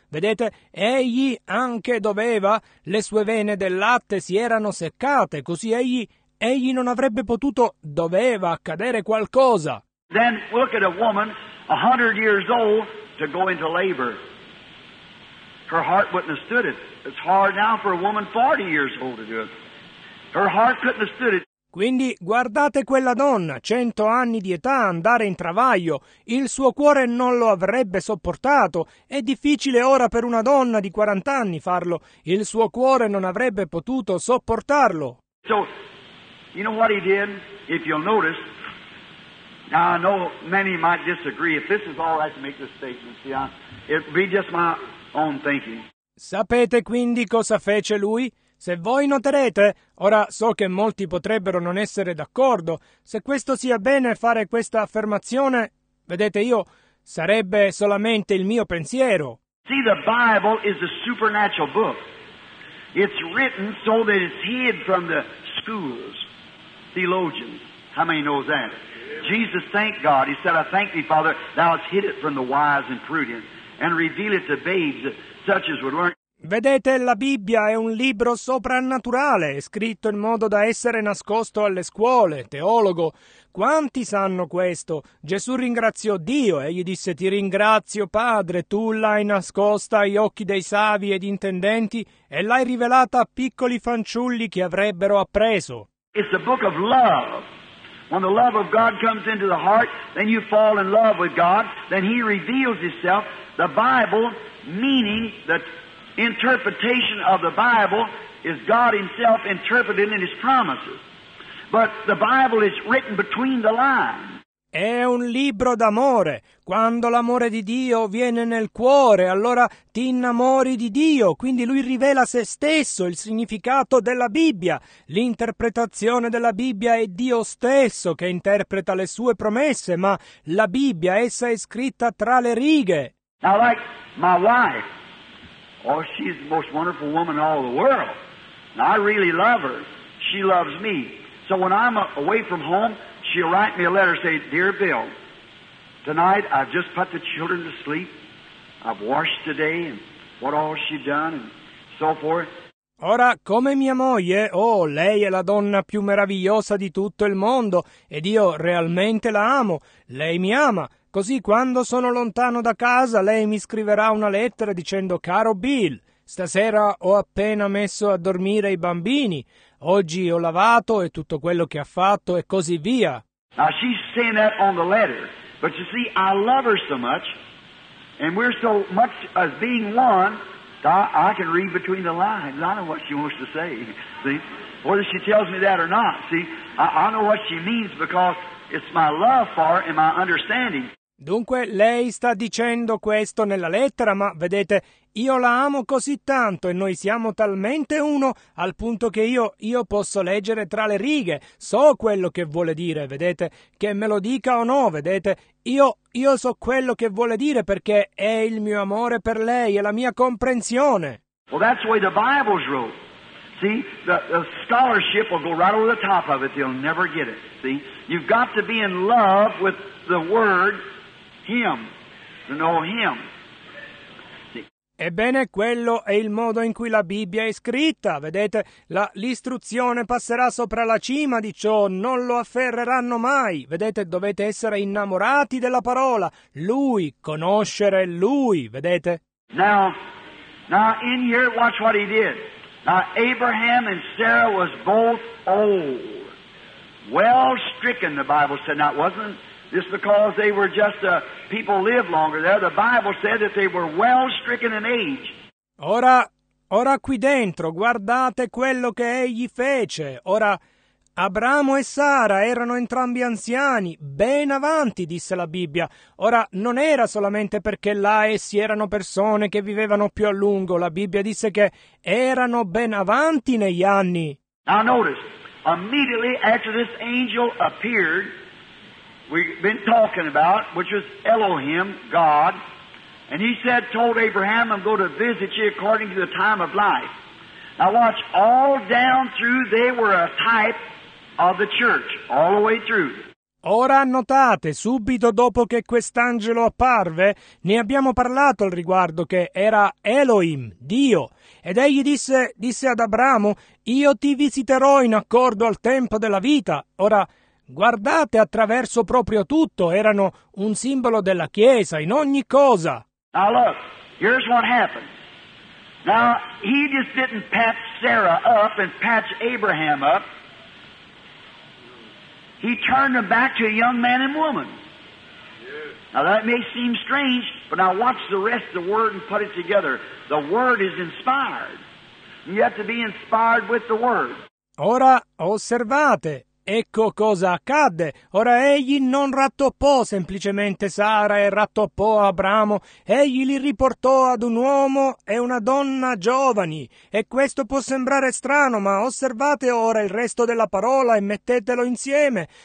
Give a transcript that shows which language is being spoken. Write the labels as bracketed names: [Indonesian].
[Italian] Vedete, egli anche doveva, le sue vene del latte si erano seccate, così egli non avrebbe potuto, doveva accadere qualcosa. [English] Then look at a woman 100 years old to go into labor. Her heart wouldn't have stood it. It's hard now for a woman 40 years old to do it. Her heart couldn't have stood it. [Italian] Quindi guardate quella donna, 100 anni di età, andare in travaglio. Il suo cuore non lo avrebbe sopportato. È difficile ora per una donna di 40 anni farlo. Il suo cuore non avrebbe potuto sopportarlo. [English] So, you know what he did? If you'll notice, now, I know many might disagree. If this is all right to make this statement, see, it would be just my own thinking. [Italian] Sapete quindi cosa fece lui? Se voi noterete, ora so che molti potrebbero non essere d'accordo, se questo sia bene fare questa affermazione, vedete, io sarebbe solamente il mio pensiero. [English] See, the Bible is a supernatural book. It's written so that it's hid from the schools, theologians. How many knows that? Jesus thanked God. He said, I thank thee, Father, thou hast hid it from the wise and prudent, and reveal it to babes such as would learn. [Italian] Vedete, la Bibbia è un libro soprannaturale, scritto in modo da essere nascosto alle scuole, teologo. Quanti sanno questo? Gesù ringraziò Dio e gli disse, ti ringrazio, Padre, tu l'hai nascosta agli occhi dei savi ed intendenti e l'hai rivelata a piccoli fanciulli che avrebbero appreso. [English] It's the book of love. When the love of God comes into the heart, then you fall in love with God. Then He reveals Himself. The Bible, meaning the interpretation of the Bible, is God Himself interpreting in His promises. But the Bible is written between the lines. [Italian] È un libro d'amore. Quando l'amore di Dio viene nel cuore, allora ti innamori di Dio. Quindi Lui rivela se stesso, il significato della Bibbia. L'interpretazione della Bibbia è Dio stesso che interpreta le sue promesse, ma la Bibbia, essa è scritta tra le righe. [English] Now, like my wife, oh, she's the most wonderful woman in all the world. And I really love her. She loves me. So when I'm away from home, she'll write me a letter and say, "Dear Bill, tonight I've just put the children to sleep. I've washed today and what all she done and so forth." [Italian] Ora, come mia moglie, oh, lei è la donna più meravigliosa di tutto il mondo ed io realmente la amo. Lei mi ama. Così quando sono lontano da casa, lei mi scriverà una lettera dicendo, "Caro Bill, stasera ho appena messo a dormire i bambini. Oggi ho lavato e tutto quello che ha fatto e così via." [English] Now she's saying that on the letter, but you see, I love her so much, and we're so much as being one, I can read between the lines. I know what she wants to say, see? Whether she tells me that or not, see? I know what she means because it's my love for her and my understanding. [Italian] Dunque, lei sta dicendo questo nella lettera, ma vedete, io la amo così tanto e noi siamo talmente uno al punto che io posso leggere tra le righe. So quello che vuole dire, vedete, che me lo dica o no, vedete, io so quello che vuole dire perché è il mio amore per lei, è la mia comprensione. [English] Well, that's the way the Bible's wrote. See, the scholarship will go right over the top of it. They'll never get it, see? You've got to be in love with the Word. Him, to know him. [Italian] Ebbene, quello è il modo in cui la Bibbia è scritta. Vedete, l'istruzione passerà sopra la cima di ciò, non lo afferreranno mai. Vedete, dovete essere innamorati della parola. Lui, conoscere Lui, vedete? [English] Now in here, watch what he did. Now, Abraham and Sarah was both old. Well stricken, the Bible said. Now, it wasn't just because they were just people live longer there. The Bible said that they were well stricken in age. [Italian] Ora qui dentro, guardate quello che egli fece. Ora, Abramo e Sara erano entrambi anziani, ben avanti, disse la Bibbia. Ora, non era solamente perché là essi erano persone che vivevano più a lungo. La Bibbia disse che erano ben avanti negli anni. [English] Now notice, immediately after this angel appeared, we've been talking about, which was Elohim, God, and he said, told Abraham, "I'm going to visit you according to the time of life." Now watch, all down through, they were a type of the church, all the way through. [Italian] Ora notate, subito dopo che quest'angelo apparve, ne abbiamo parlato al riguardo, che era Elohim, Dio. Ed egli disse ad Abramo, "Io ti visiterò in accordo al tempo della vita." Ora, guardate attraverso proprio tutto, erano un simbolo della Chiesa in ogni cosa. [English] Now look, here's what happened. Now, he just didn't patch Sarah up and patch Abraham up. He turned them back to a young man and woman. Now that may seem strange, but now watch the rest of the Word and put it together. The Word is inspired. You have to be inspired with the Word. [Italian] Ora osservate. Ecco cosa accadde. Ora egli non rattoppò semplicemente Sara e rattoppò Abramo. Egli li riportò ad un uomo e una donna giovani. E questo può sembrare strano, ma osservate ora il resto della parola e mettetelo insieme.